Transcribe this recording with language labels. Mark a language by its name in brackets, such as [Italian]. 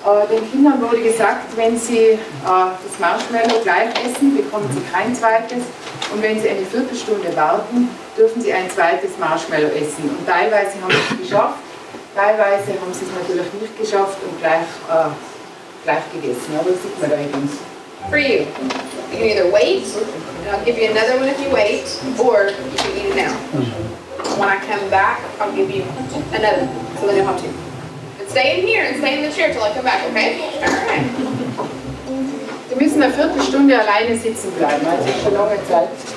[German] Den Kindern wurde gesagt, wenn sie das Marshmallow gleich essen, bekommen sie kein zweites. Und wenn sie eine Viertelstunde warten, dürfen sie ein zweites Marshmallow essen. Und teilweise haben sie es geschafft, teilweise haben sie es natürlich nicht geschafft und gleich gegessen. Aber das sieht man da eben. [English] For you. You can either wait, and I'll give you another one if you wait, or you can eat it now. When I come back, I'll give you another one, so then you'll have two. But stay in here and stay in the chair till I come back, okay? Alright. [German] Sie müssen eine Viertelstunde alleine sitzen bleiben, also schon lange Zeit.